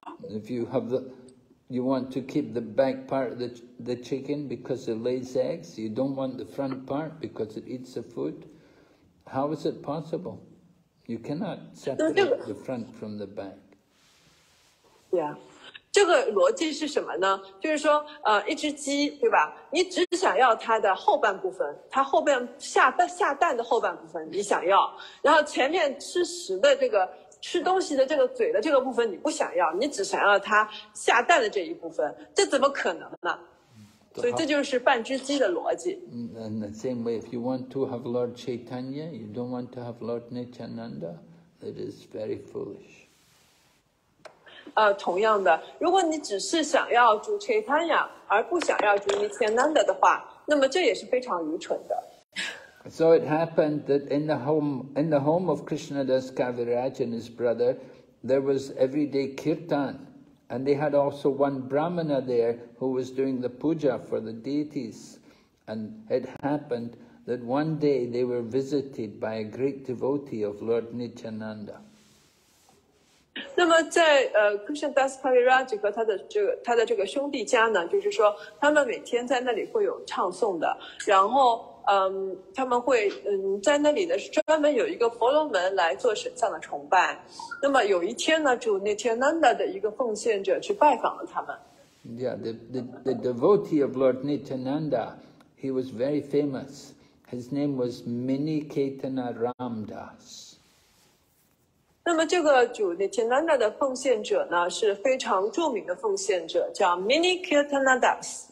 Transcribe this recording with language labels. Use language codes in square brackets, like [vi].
[en] If you have the, you want to keep the back part of the chicken because it lays eggs, you don't want the front part because it eats the food, how is it possible? You cannot separate the front from the back. Yeah. [zh] 这个逻辑是什么呢？就是说一只鸡对吧，你只想要它的后半部分，它后面下蛋的后半部分你想要，然后前面吃食的这个吃东西的这个嘴的这个部分你不想要，你只想要它下蛋的这一部分，这怎么可能呢？所以这就是半只鸡的逻辑。 [en] And the same way, if you want to have Lord Chaitanya, you don't want to have Lord Nityananda, that is very foolish. [zh] 同样的，如果你只是想要主 Chaitanya, 而不想要主 Nityananda 的话，那么这也是非常愚蠢的。 [en] So it happened that in the home of Krishnadas Kaviraj and his brother, there was everyday kirtan, and they had also one brahmana there who was doing the puja for the deities. And it happened that one day they were visited by a great devotee of Lord Nityananda. [zh] 那么在Krishnadas Kaviraj 和他的这个兄弟家呢，就是说他们每天在那里会有唱诵的，然后。他们会在那里的专门有一个婆罗门来做神像的崇拜。那么有一天呢，主 Nityananda 的一个奉献者去拜访了他们。 [en] Yeah, the devotee of Lord Nityananda, he was very famous. His name was Miniketana Ramdas. [zh] 那么这个主 Nityananda 的奉献者呢，是非常著名的奉献者，叫 Miniketana Das.